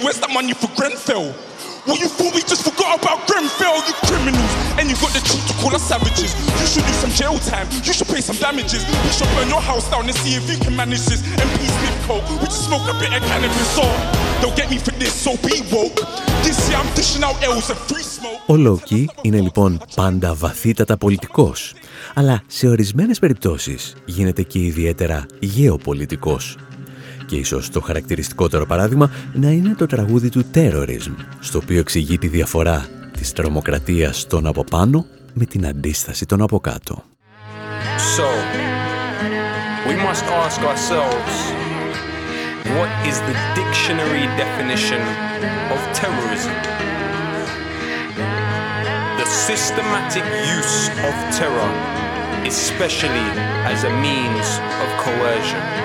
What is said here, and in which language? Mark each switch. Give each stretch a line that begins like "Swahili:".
English: Well, you thought we just forgot about Grenfell, you criminals. And you got the truth to call us savages. You should do some jail time, you should pay some damages. We should burn your house down and see if you can manage this. MP Smith Coke, we just smoke a bit of cannabis. So, they'll get me for this, so be woke. This year I'm dishing out L's of free smoke.
Greek: Ο Loki είναι λοιπόν πάντα βαθύτατα πολιτικός. Αλλά σε ορισμένες περιπτώσεις γίνεται και ιδιαίτερα γεωπολιτικός. Και ίσως το χαρακτηριστικότερο παράδειγμα να είναι το τραγούδι του Terrorism, στο οποίο εξηγεί τη διαφορά της τρομοκρατίας των από πάνω με την αντίσταση των από κάτω.
English: So, we must ask ourselves, what is the dictionary definition of terrorism? The systematic use of terror, especially as a means of coercion.